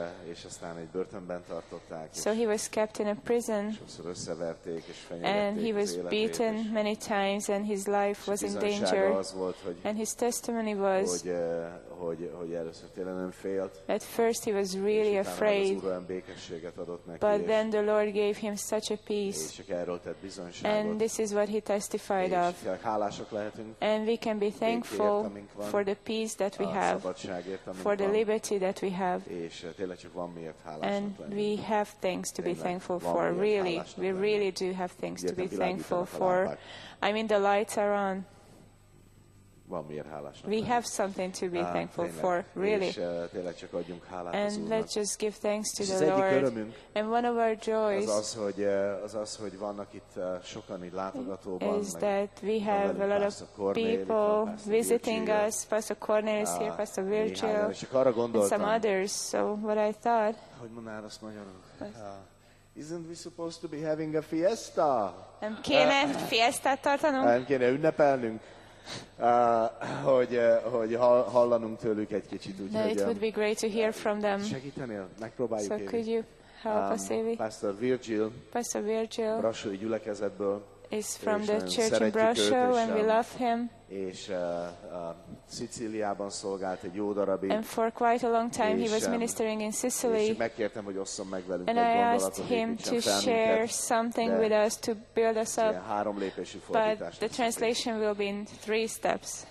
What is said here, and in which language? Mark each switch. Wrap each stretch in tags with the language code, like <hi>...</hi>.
<hu>És aztán egy börtönben tartották.</hu> <en>So he was kept in a prison.</en> <hu>Sokszor összeverték és fenyegették.</hu> <en>And he was beaten many times and his life was in danger.</en> <hu>Az volt, hogy,</hu> <en>and his testimony was</en> <hu>hogy először tényleg nem félt.</hu> <en>At first he was really afraid.</en> <hu>És utána az Úr békességet adott neki.</hu> <en>But then the Lord gave him such a peace.</en> <hu>És csak erről tett bizonyságot.</hu> <en>And this is what he testified of.</en> <hu>Hálások lehetünk.</hu> <en>And we can be thankful for the peace that we have. For the liberty that we have.</en> <hu>És tényleg csak van miért hálásnak lenni.</hu> <en>And we have things to be thankful for. Really, we really do have things to be thankful for. I mean, the lights are on.</en> <hu>Van miért hálásnak.</hu> <en>We have something to be thankful for. Really.</en> <hu>És tényleg csak adjunk hálát az Úrnak.</hu> <en>And let's just give thanks to the Lord. And one of our joys</en> <hu>az, hogy vannak itt sokan itt látogatóban.</hu> <en>Is that we have a lot of people visiting us. Pastor Cornelius here, Pastor Virgil. And some others. So what I thought.</en> <hu>Hogy mondanád azt magyarul?</hu> <en>Isn't we supposed to be having a fiesta?</en> <hu>Nem kéne fiestát tartanunk? Nem kéne ünnepelnünk. Hogy hallanunk tőlük egy kicsit, úgyhogy.</hu> <en>No, it would be great to hear from them.</en> <hu>Segítenél? Megpróbáljuk.</hu> <en>So could you help us, Evie? Pastor Virgil.</en> <hu>Brassói gyülekezetből.</hu> <en>Is from the church in Brassó, and we love him.</en> <hu>És Szicíliában szolgált egy jó darabig.</hu> <en>And for quite a long time he was ministering in Sicily.</en> <hu>És megkértem, hogy osszon meg velünk egy gondolatot.</hu> <en>And I asked him to share something with us to build us up.</en> <hu>Három lépésű fordítás.</hu> <en>But the translation will be in three steps.</en>